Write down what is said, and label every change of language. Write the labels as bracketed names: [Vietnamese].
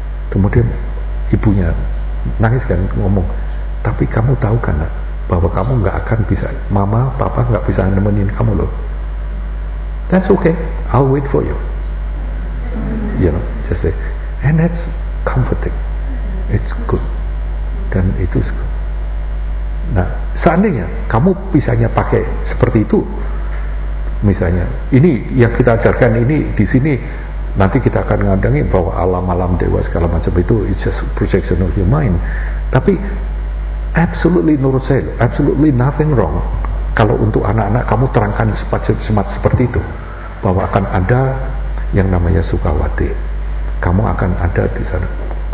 [Indonesian] Kemudian ibunya nangis kan, ngomong, tapi kamu tahu kan nak, bahwa kamu gak akan bisa, mama, papa gak bisa nemenin kamu loh. [English] That's okay, I'll wait for you. You know, just say, and that's comforting. It's good. [Indonesian] Dan itu [English] good. [Indonesian] Nah, seandainya kamu bisanya pakai seperti itu, misalnya, ini yang kita ajarkan ini di sini, nanti kita akan ngandangi bahwa alam-alam dewa segala macam itu [English] it's just projection of your mind. [Indonesian] Tapi absolutely menurut saya, [English] absolutely nothing wrong [Indonesian] kalau untuk anak-anak kamu terangkan semacam seperti itu, bahwa akan ada yang namanya Sukawati, kamu akan ada di sana.